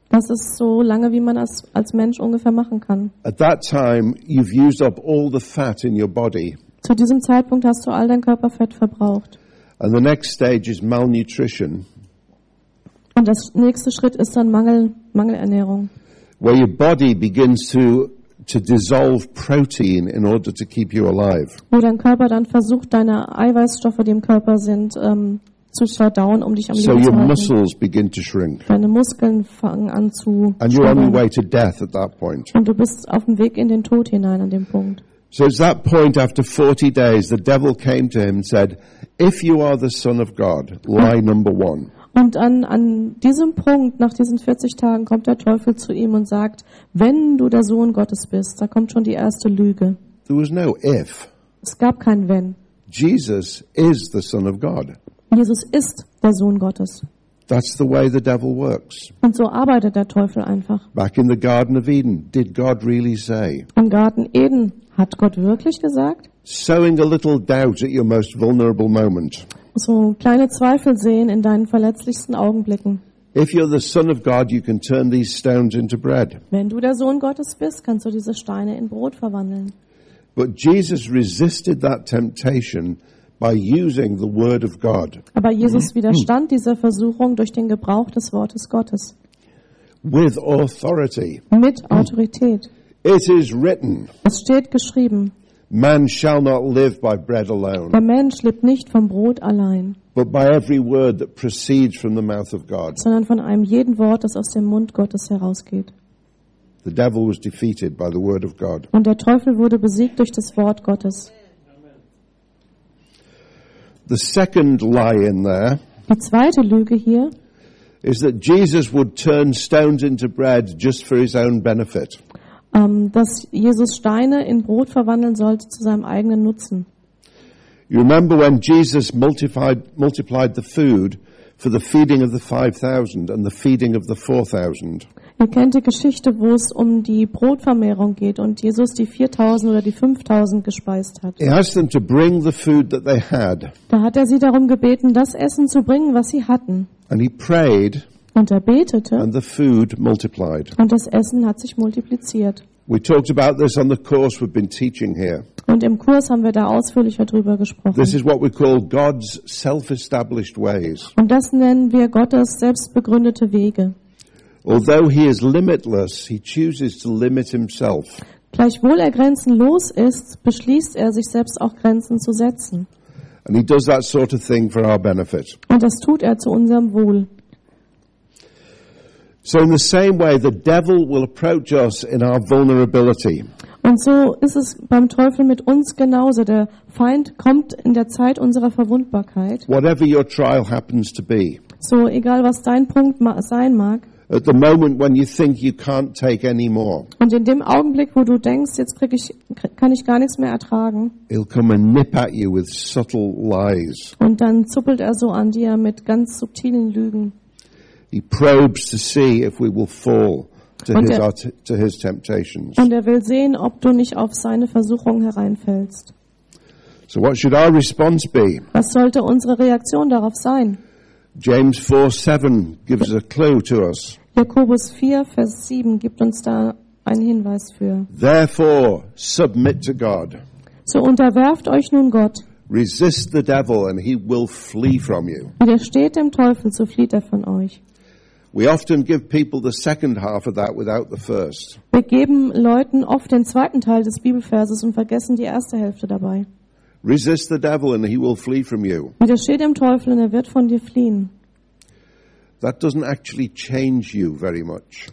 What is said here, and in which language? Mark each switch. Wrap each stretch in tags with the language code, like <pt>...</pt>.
<de>Das ist so lange, wie man das als Mensch ungefähr machen kann.</de> <en>At that time, you've used up all the fat in your body.</en> <de>Zu diesem Zeitpunkt hast du all dein Körperfett verbraucht.</de> <en>And the next stage is malnutrition.</en> <de>Und das nächste Schritt ist dann Mangelernährung.</de> <en>Where your body begins to dissolve protein in order to keep you alive.</en> <de>Wo dein Körper dann versucht, deine Eiweißstoffe, die im Körper sind, zu verdauen, um dich am Leben zu halten.</de> <en>So your muscles begin to shrink.</en> <de>Deine Muskeln fangen an zu schrumpfen.</de> <en>And you're on your way to death at that point.</en> <de>Und du bist auf dem Weg in den Tod hinein an dem Punkt.</de> <en>So at that point, after 40 days, the devil came to him and said, "If you are the Son of God, lie number one."</en> <de>Und an diesem Punkt, nach diesen 40 Tagen, kommt der Teufel zu ihm und sagt, wenn du der Sohn Gottes bist, da kommt schon die erste Lüge.</de> <en>There was no if.</en> <de>Es gab kein Wenn.</de> <en>Jesus is the Son of God.</en> <de>Jesus ist der Sohn Gottes.</de> <en>That's the way the devil works.</en> <de>Und so arbeitet der Teufel einfach.</de> <en>Back in the Garden of Eden, did God really say?</en> <de>Im Garten Eden hat Gott wirklich gesagt?</de> <en>Sowing a little doubt at your most vulnerable moment.</en> <de>So kleine Zweifel sehen in deinen verletzlichsten Augenblicken.</de> <en>If you're the Son of God, you can turn these stones into bread.</en> <de>Wenn du der Sohn Gottes bist, kannst du diese Steine in Brot verwandeln.</de> <en>But Jesus resisted that temptation by using the word of God.</en> <de>Aber Jesus widerstand dieser Versuchung durch den Gebrauch des Wortes Gottes.</de> <en>With authority.</en> <de>Mit Autorität.</de> <en>It is written.</en> <de>Es steht geschrieben.</de> <en>Man shall not live by bread alone.</en> <de>Der Mensch lebt nicht vom Brot allein.</de> <en>But by every word that proceeds from the mouth of God.</en> <de>Sondern von einem jeden Wort, das aus dem Mund Gottes herausgeht.</de> <en>The devil was defeated by the word of God.</en> <de>Und der Teufel wurde besiegt durch das Wort Gottes.</de> <en>The second lie in there.</en> <de>Die zweite Lüge hier.</de> <en>Is that Jesus would turn stones into bread just for his own benefit.</en> <de>Dass Jesus Steine in Brot verwandeln sollte zu seinem eigenen Nutzen.</de> <en>You remember when Jesus multiplied the food for the feeding of the 5,000 and the feeding of the 4,000.</en> <de>Ihr kennt die Geschichte, wo es um die Brotvermehrung geht und Jesus die 4,000 oder die 5,000 gespeist hat.</de> <en>He asked them to bring the food that they had.</en> <de>Da hat er sie darum gebeten, das Essen zu bringen, was sie hatten.</de> <en>And he prayed.</en> <de>Und er betete.</de> <en>And the food multiplied.</en> <de>Und das Essen hat sich multipliziert.</de> <en>We talked about this on the course we've been teaching here.</en> <de>Und im Kurs haben wir da ausführlicher drüber gesprochen.</de> <en>This is what we call God's self-established ways.</en> <de>Und das nennen wir Gottes selbstbegründete Wege.</de> <en>Although he is limitless, he chooses to limit himself.</en> <de>Gleichwohl er grenzenlos ist, beschließt er, sich selbst auch Grenzen zu setzen.</de> <en>And he does that sort of thing for our benefit.</en> <de>Und das tut er zu unserem Wohl.</de> <en>So in the same way, the devil will approach us in our vulnerability.</en> <de>Und so ist es beim Teufel mit uns genauso. Der Feind kommt in der Zeit unserer Verwundbarkeit.</de> <en>Whatever your trial happens to be.</en> <de>So egal was dein Punkt sein mag.</de> <en>At the moment when you think you can't take any more.</en> <de>Und in dem Augenblick, wo du denkst, jetzt kann ich gar nichts mehr ertragen.</de> <en>He'll come and nip at you with subtle lies.</en> <de>Und dann zuppelt er so an dir mit ganz subtilen Lügen.</de> <en>He probes to see if we will fall to his temptations.</en> <de>Und er will sehen, ob du nicht auf seine Versuchung hereinfällst.</de> <en>So what should our response be?</en> <de>Was sollte unsere Reaktion darauf sein?</de> <en>James 4:7 gives a clue to us.</en> <de>Jakobus 4, Vers 7 gibt uns da einen Hinweis für.</de> <en>Therefore, submit to God.</en> <de>So unterwerft euch nun Gott.</de> <en>Resist the devil and he will flee from you.</en> <de>Widersteht dem Teufel, so flieht er von euch.</de> <en>We often give people the second half of that without the first.</en> <de>Wir geben Leuten oft den zweiten Teil des Bibelverses und vergessen die erste Hälfte dabei.</de> <en>Resist the devil and he will flee from you.</en> <de>Widersteht dem Teufel und er wird von dir fliehen.</de> <en>That doesn't actually change you very much.</en>